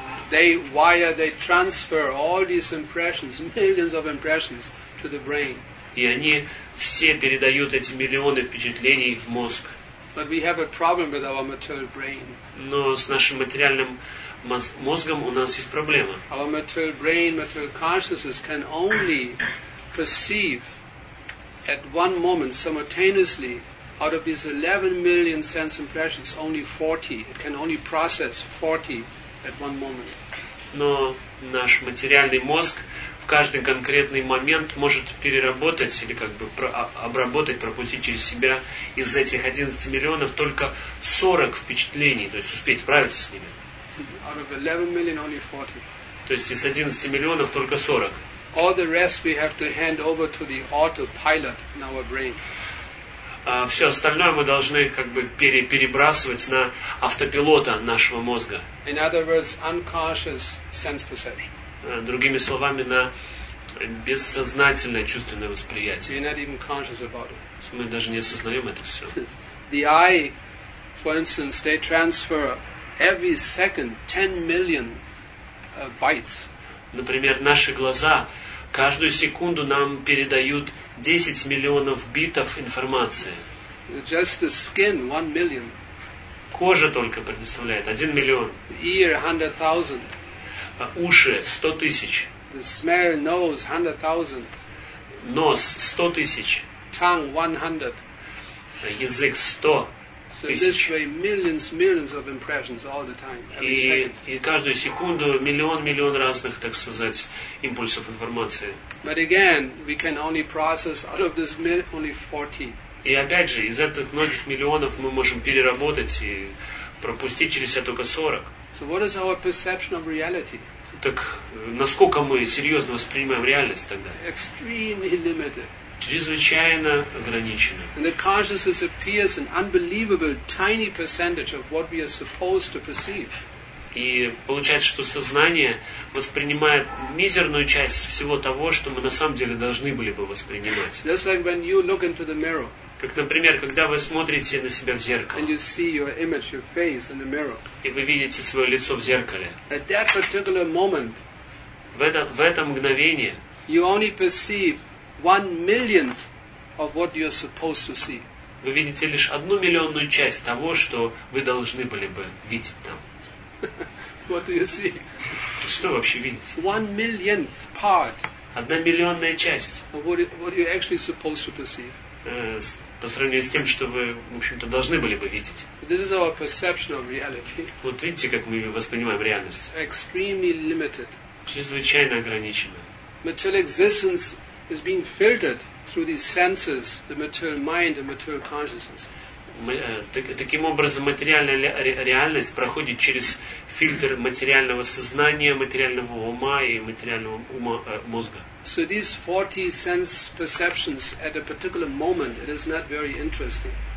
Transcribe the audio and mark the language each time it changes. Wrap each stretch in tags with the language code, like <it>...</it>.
<en>They wire, they transfer all these impressions, millions of impressions to the brain.</en> <ru>И они все передают эти миллионы впечатлений в мозг.</ru> <en>But we have a problem with our material brain.</en> <ru>Но с нашим материальным мозгом у нас есть проблема.</ru> <en>Our material brain, material consciousness can only perceive at one moment simultaneously out of these 11 million sense impressions only 40. It can only process 40 at one moment.</en> <ru>Но наш материальный мозг в каждый конкретный момент может переработать или как бы обработать, пропустить через себя из этих 11 миллионов только 40 впечатлений, то есть успеть справиться с ними.</ru> <en>out of 11 million only 40.</en> <ru>То есть из 11 миллионов только 40.</ru> <en>All the rest we have to hand over to the autopilot in our brain.</en> <ru>Все остальное мы должны как бы перебрасывать на автопилота нашего мозга.</ru> <en>In other words, unconscious sense perception.</en> <ru>Другими словами, на бессознательное чувственное восприятие.</ru> <en>You're not even conscious about it.</en> <ru>Мы даже не осознаем это все.</ru> <en>The eye, for instance, they transfer every second 10 million bytes.</en> <ru>Например, наши глаза каждую секунду нам передают 10 миллионов битов информации.</ru> <en>Just the skin, 1 million.</en> <ru>Кожа только предоставляет 1 миллион.</ru> <en>Ear, 100,000.</en> <ru>Уши 100 тысяч.</ru> <en>The smell, nose, 100,000.</en> <ru>Нос 100 тысяч.</ru> <en>Tongue, 100.</en> <ru>Язык 100.</ru> <en>So this way, millions of impressions all the time, every second.</en> <ru>И каждую секунду миллион разных, так сказать, импульсов информации.</ru> <en>But again, we can only process out of this only 40.</en> <ru>И опять же, из этих многих миллионов мы можем переработать и пропустить через себя только 40.</ru> <en>So what is our perception of reality?</en> <ru>Так насколько мы серьезно воспринимаем реальность тогда?</ru> <en>Extremely limited.</en> <ru>Чрезвычайно ограничено.</ru> <en>And the consciousness appears an unbelievable tiny percentage of what we are supposed to perceive.</en> <ru>И получается, что сознание воспринимает мизерную часть всего того, что мы на самом деле должны были бы воспринимать.</ru> <en>Just like when you look into the mirror.</en> <ru>Как, например, когда вы смотрите на себя в зеркало.</ru> <en>And you see your image, your face in the mirror.</en> <ru>И вы видите свое лицо в зеркале.</ru> <en>At that particular moment.</en> <ru>В этом мгновении.</ru> <en>You only perceive 1 millionth of what you're supposed to see.</en> <ru>Вы видите лишь 1 миллионную часть того, что вы должны были бы видеть там.</ru> <en>What do you see?</en> <ru>Что вообще видите?</ru> <en>1 millionth part.</en> <ru>1 миллионная часть.</ru> <en>What you're actually supposed to perceive.</en> <ru>По сравнению с тем, что вы, в общем-то, должны были бы видеть.</ru> <en>This is our perception of reality.</en> <ru>Вот видите, как мы воспринимаем реальность.</ru> <en>Extremely limited.</en> <ru>Чрезвычайно ограничено.</ru> <en>Material existence is being filtered through these senses, the material mind and material consciousness.</en> <ru>Таким образом, материальная реальность проходит через фильтр материального сознания, материального ума и материального мозга.</ru> <en>So these 40 sense perceptions at a particular moment, it is not very interesting.</en>